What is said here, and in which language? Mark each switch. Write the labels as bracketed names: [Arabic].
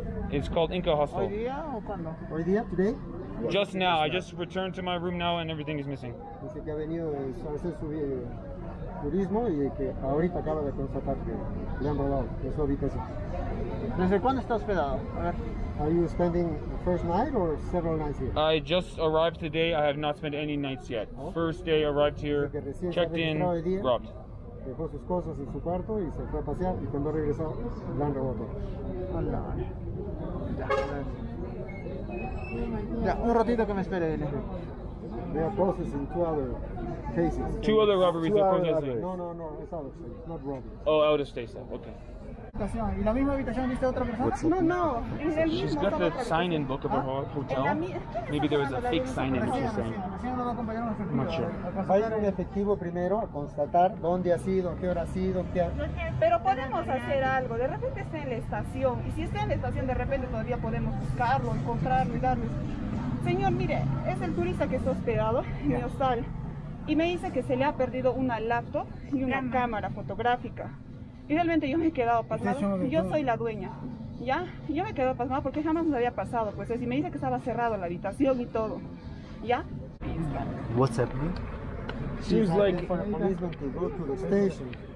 [English] It's called Inca Hostel. [Spanish] Hoy día o cuando? Hoy día, [English] today? Just now. I just returned to my room now and everything is missing. [Spanish] Dice que ha venido a hacer su turismo y que ahorita acaba de constatar que le han robado de su habitación. ¿Desde cuándo está hospedado? [English] Are you spending the first night or several nights here? I just arrived today. I have not spent any nights yet. Okay. First day arrived here, checked in, robbed. [Spanish] Dejó sus cosas en su cuarto y se fue a pasear y cuando regresó, le han robado. Ya, un ratito que me espere. Dele. [English] They are processed in two other cases. Two other robberies are processed. No, it's out of state, not robberies. Oh, out of state, so. Okay. [Spanish] ¿Y la misma habitación viste otra persona? [English] What's no. She's got the sign-in book of her hotel. Maybe there was a fake sign-in, she's saying. I'm not sure. [Spanish] Vayan en efectivo primero a constatar dónde ha sido, qué hora ha sido, qué. Pero podemos hacer algo. De repente está en la estación. Y si está en la estación, de repente todavía podemos buscarlo, encontrarlo y darle. Señor, mire, es el turista que está hospedado en mi hostal. Y me dice que se le ha perdido una laptop y una cámara fotográfica. Y realmente yo me he quedado pasmado, yo soy la dueña, ¿ya? Yo me he quedado pasmado porque jamás me había pasado, pues es, y me dice que estaba cerrado la habitación y todo, ¿ya? [English] What's happening? Seems like for a policeman to go to the station.